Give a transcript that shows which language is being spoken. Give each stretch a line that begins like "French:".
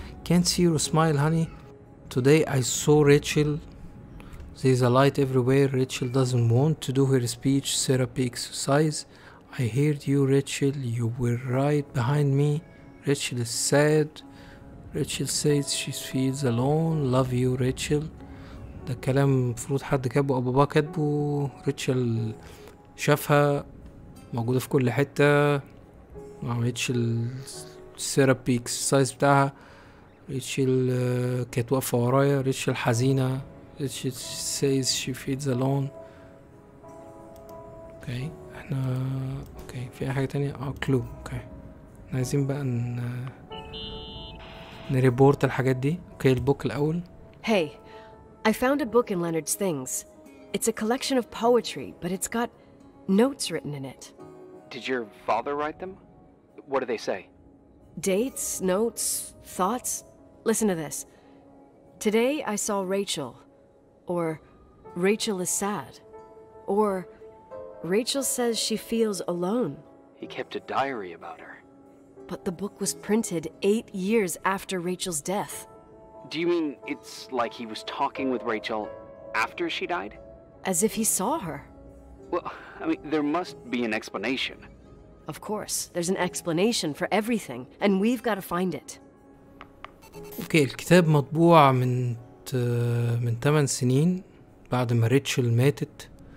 English: Can't see your smile honey today I saw Rachel there's a light everywhere Rachel doesn't want to do her speech therapy exercise I heard you Rachel you were right behind me Rachel is sad Rachel says she feels alone love you Rachel
Arabic: ده كلام مفروض حد كاتبه او بابا كاتبه. ريتشل شافها موجوده في كل حته، ما عملتش الثيرابي اكسرسايز بتاعها. ريتشل كانت واقفه ورايا. ريتشل حزينه.
English: Rachel says she feels alone.
Arabic: اوكي احنا اوكي في اي حاجه تانية؟ كلو. اوكي عايزين بقى نريبورت الحاجات دي. اوكي البوك الاول.
English: هي I found a book in Leonard's things. It's a collection of poetry, but it's got notes written in it. Did your father write them? What do they say? Dates, notes, thoughts. Listen to this. Today I saw Rachel. Or Rachel is sad. Or Rachel says she feels alone. He kept a diary about her. But the book was printed 8 years after Rachel's death. Do you mean it's like he was talking with Rachel after she died? As if he saw her. Well, I mean, there must be an explanation. Of course, there's an explanation for everything, and we've got to find it.
Arabic: Okay, الكتاب مطبوع من 8 سنين بعد ما ريتشل ماتت.